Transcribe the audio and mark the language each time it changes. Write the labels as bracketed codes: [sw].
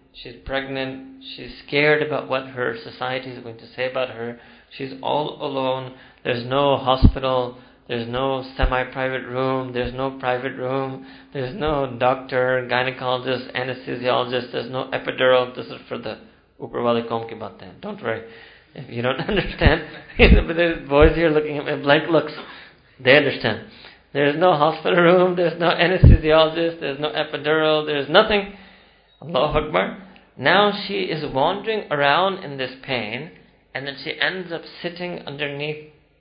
[en] She's pregnant. She's scared about what her society is going to say about her. She's all alone. There's no hospital. There's no semi-private room, there's no private room, there's no doctor, gynecologist, anesthesiologist, there's no epidural. [ur] This is for the اوپر والے قوم کی بات ہے. [en] Don't worry. If you don't understand, the boys here looking at me, blank looks, they understand. There's no hospital room, there's no anesthesiologist, there's no epidural, there's nothing. Allahu Akbar. Now she is wandering around in this pain, and then she ends up sitting underneath